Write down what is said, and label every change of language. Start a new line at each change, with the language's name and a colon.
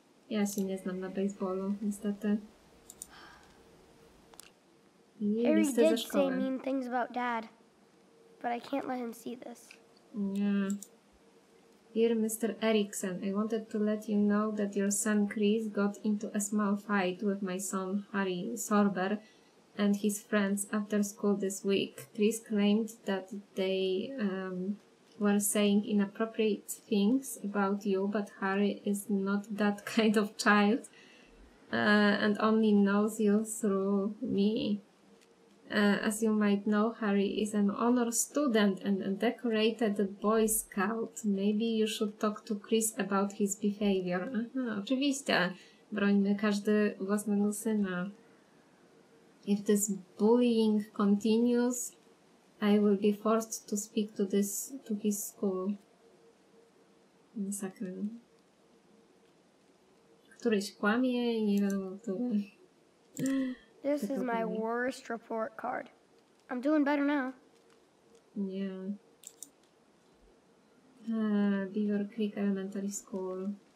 Polish: Ja się nie znam na baseballu, niestety. Nie,
English: Harry listę did ze say mean things about dad, but I can't let him see this.
Polish: Nie.
English: Dear Mr. Erickson, I wanted to let you know that your son Chris got into a small fight with my son Harry Sorber and his friends after school this week. Chris claimed that they were saying inappropriate things about you, but Harry is not that kind of child and only knows you through me. As you might know, Harry is an honor student and a decorated Boy Scout. Maybe you should talk to Chris about his behavior.
Polish: Aha, oczywiście. Brońmy każdy własnego syna.
English: If this bullying continues, I will be forced to speak to this to his school.
Polish: Masakra. Któryś kłamie i nie wiadomo tu.
English: This is my worst report card. I'm doing better now. Yeah. Beaver Creek Elementary School.